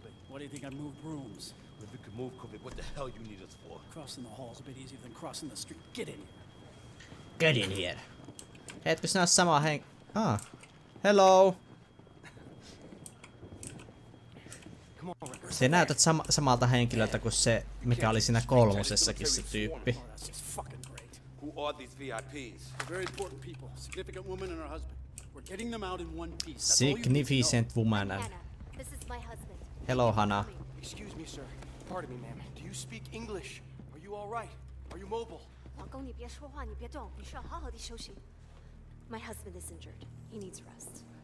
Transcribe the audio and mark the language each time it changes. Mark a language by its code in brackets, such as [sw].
[en] Why do you think I moved rooms? Well, if you can move, Kobe, what the hell you need us for? Crossing the hall's a bit easier than crossing the street. Get in here. Get in here. [fi] Hey, etkö sinä ole sama henk... [en] Ah. Hello. Come on, Rickers. [fi] Sä näytät samalta henkilöltä kuin se, mikä oli siinä kolmosessakin se tyyppi. [en] Who are these VIPs? Very important people. Significant woman and her husband. We're getting them out in one piece. Significant woman. Hannah, this is my husband. Hello, Hannah. Excuse me, sir. Pardon me, ma'am. Do you speak English? Are you all right? Are you mobile? [zh] 老公，你别说话，你别动，你需要好好的休息. [en] My husband is injured. He needs rest.